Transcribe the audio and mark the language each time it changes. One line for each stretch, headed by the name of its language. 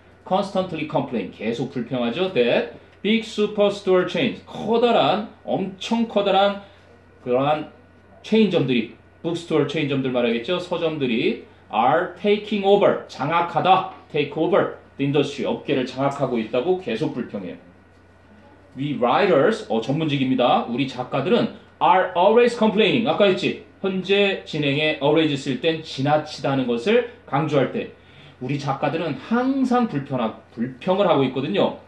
English: Constantly complain,
Korean: 계속 불평하죠.
English: That big superstore chains,
Korean: 커다란, 엄청 커다란 그러한 체인점들이, bookstore 체인점들 말하겠죠. 서점들이
English: are taking over,
Korean: 장악하다,
English: take over the industry,
Korean: 업계를 장악하고 있다고 계속 불평해요.
English: We writers,
Korean: 전문직입니다. 우리 작가들은
English: are always complaining.
Korean: 아까 했지? 현재 진행에 always 쓸 땐 지나치다는 것을 강조할 때 우리 작가들은 항상 불평을 하고 있거든요.